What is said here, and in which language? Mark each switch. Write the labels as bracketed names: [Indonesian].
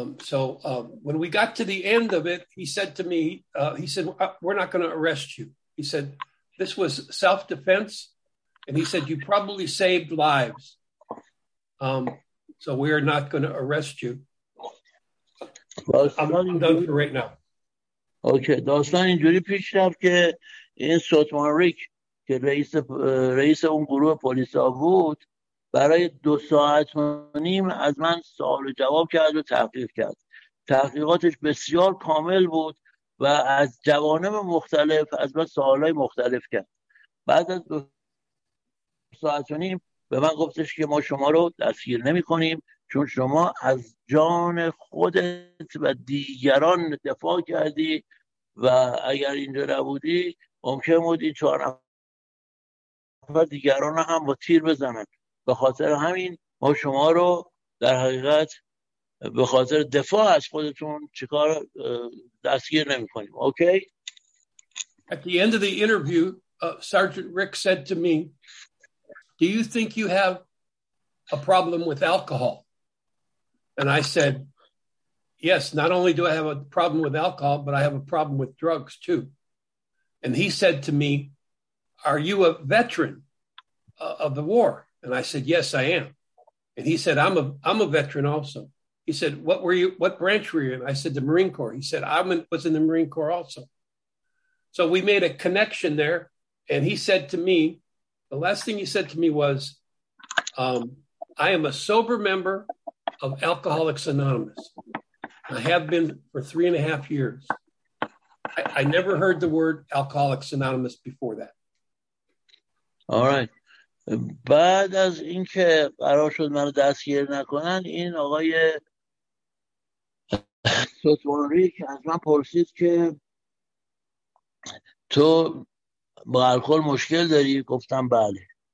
[English] When we got to the end of it, he said to me, we're not going to arrest you. He said, this was self-defense. And he said, you probably saved lives. So we are not going to arrest you. I'm not done for right now. Okay. [Persian] داستان اینجوری پیش رفت که این ستوان ریک که رئیس اون گروه پلیس ها بود، برای 2.5 ساعت از من سوال جواب کرد و تحقیق کرد. تحقیقاتش بسیار کامل بود و از جوانب مختلف از من سوالای مختلف کرد. بعد از 2.5 ساعت به من گفتش که ما شما رو دستگیر نمی کنیم، چون شما از جان خودت و دیگران دفاع کردی و اگر اینجا نبودی ممکن بود این چهار نفر دیگران هم با تیر بزنن، به خاطر همین ما شما رو در حقیقت به خاطر دفاع از خودتون چیکار دستگیر نمی کنیم. [English] Okay? At the end of the interview, Sergeant Rick said to me, do you think you have a problem with alcohol? And I said, yes, not only do I have a problem with alcohol, but I have a problem with drugs too. And he said to me, are you a veteran of the war? And I said, yes, I am. And he said, I'm a veteran also. He said, what branch were you in? I said, the Marine Corps. He said, I was in the Marine Corps also. So we made a connection there. And he said to me, the last thing he said to me was, I am a sober member of Alcoholics Anonymous. I have been for 3.5 years. I never heard the word Alcoholics Anonymous before that. All right. [Persian] بعد از اینکه قرار شد من رو دستگیر نکنن، این آقای ستوان ریک از من پرسید که تو با الکل مشکل داری؟ گفتم بله.